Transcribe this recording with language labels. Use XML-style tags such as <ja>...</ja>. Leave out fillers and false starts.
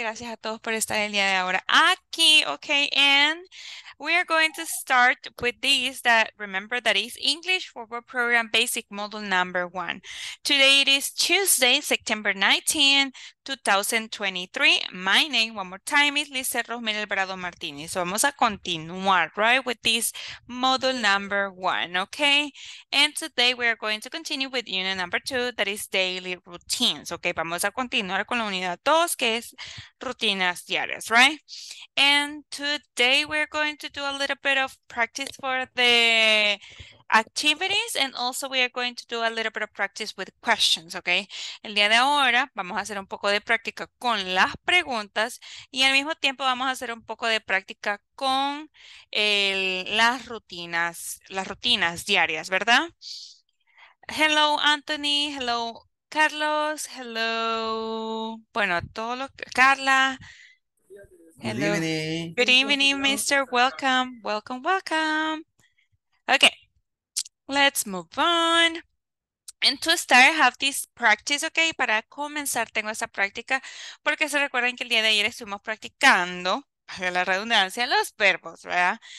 <es>Gracias a todos por estar el día de ahora aquí.</es> <en>Okay, and we are going to start with this that remember that is English Verbal Program Basic Module Number 1. Today it is Tuesday, September 19, 2023. My name, one more time, is Lizeth Rosmer Alvarado Martínez. So</en> <es>vamos a continuar,</es> <en>right, with this module number 1, okay? And today we are going to continue with unit number 2, that is daily routines, okay?</en> <es>Vamos a continuar con la unidad 2, que es rutinas diarias, right?</es> <en>And today we are going to do a little bit of practice for the activities, and also we are going to do a little bit of practice with questions, okay?</en> <es>El día de ahora vamos a hacer un poco de práctica con las preguntas y al mismo tiempo vamos a hacer un poco de práctica con las rutinas diarias, ¿verdad?</es> <en>Hello, Anthony. Hello, Carlos. Hello.</en> <es>Bueno, todo lo que Carla.</es> <en>Good Hello. evening. Good evening, Mr. Welcome. Welcome, welcome. Okay. Let's move on. And to start, I have this practice, okay?</en> <es>Para comenzar, tengo esta práctica porque se recuerdan que el día de ayer estuvimos practicando, para la redundancia, los verbos, ¿verdad?</es>